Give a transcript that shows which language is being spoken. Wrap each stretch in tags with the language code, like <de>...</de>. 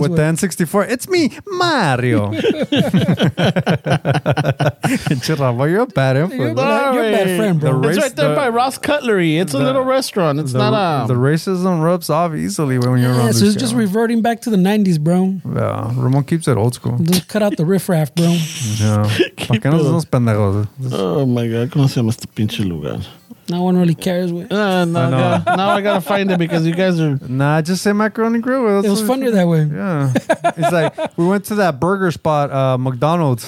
<en>With the N64. It's me, Mario. Ramon, you're a bad influence. You're a bad friend, bro. It's right there by Ross Cutlery. It's a little restaurant. It's not a... The racism rubs off easily when you're around this. Yeah, so it's just reverting back to the 90s, bro. Yeah, Ramon keeps it old school. Just cut out the riffraff, bro. Yeah.</en> <es>Oh my god, ¿cómo se llama este pinche lugar?</es> <en>No one really cares. Now I gotta find it because you guys are. Nah, just say Macaroni Grill. It was funnier that way. Yeah. It's like we went to that burger spot, McDonald's.</en>